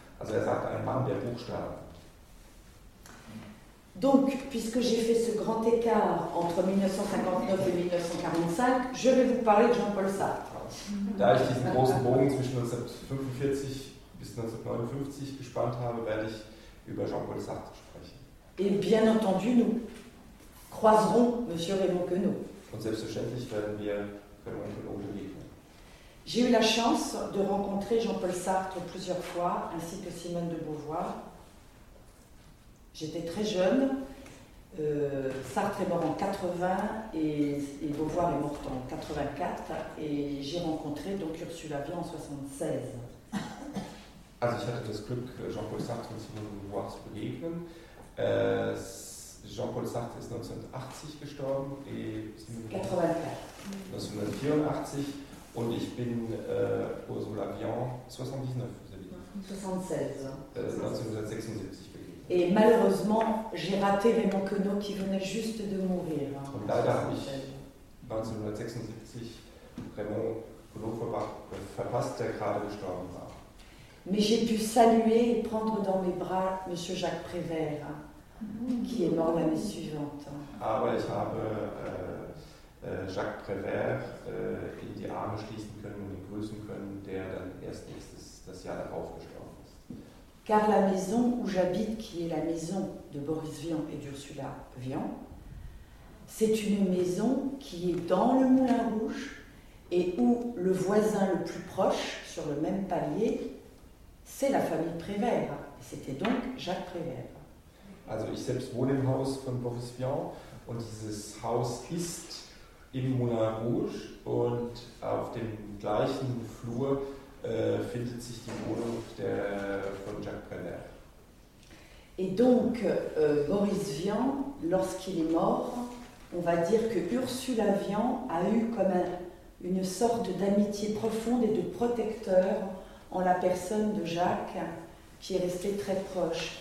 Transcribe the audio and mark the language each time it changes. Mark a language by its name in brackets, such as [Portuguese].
[German] Also er sagt, ein Mann der Buchstaben. [French] Donc, puisque j'ai fait ce grand écart entre 1959 et 1945, je vais vous parler de Jean-Paul Sartre. [German] Da ich diesen großen Bogen zwischen 1945 bis 1959 gespannt habe, werde ich über Jean-Paul Sartre sprechen. [French] Et bien entendu, nous croiserons M. Raymond Queneau. [German] Und selbstverständlich werden wir Raymond Queneau begegnen. [French] J'ai eu la chance de rencontrer Jean-Paul Sartre plusieurs fois, ainsi que Simone de Beauvoir. J'étais très jeune, Sartre est mort en 80 et Beauvoir est morte en 84 et j'ai rencontré donc Ursula Vian en 76. [German] Also ich hatte das Glück, Jean-Paul Sartre und Simone de Beauvoir zu begegnen. Jean-Paul Sartre ist 1980 gestorben et Simone de Beauvoir 1984 und ich bin Ursula Vian 1976 begegnet. [French] Et malheureusement, j'ai raté Raymond Queneau qui venait juste de mourir. [German] Und leider habe ich 1976 Raymond Queneau verpasst, der gerade gestorben war. [French] Mais j'ai pu saluer et prendre dans mes bras M. Jacques Prévert, qui est mort l'année suivante. [German] Aber ich habe Jacques Prévert in die Arme schließen können und ihn grüßen können, der dann erst nächstes das Jahr darauf gestorben ist. [French] Car la maison où j'habite, qui est la maison de Boris Vian et d'Ursula Vian, c'est une maison qui est dans le Moulin Rouge et où le voisin le plus proche, sur le même palier, c'est la famille Prévert. C'était donc Jacques Prévert. [German] Also ich selbst wohne im Haus von Boris Vian und dieses Haus ist im Moulin Rouge und auf dem gleichen Flur findet sich die Wohnung von Jacques Prévert. [French] Et donc Boris Vian, lorsqu'il est mort, on va dire que Ursula Vian a eu comme une sorte d'amitié profonde et de protecteur en la personne de Jacques, qui est resté très proche.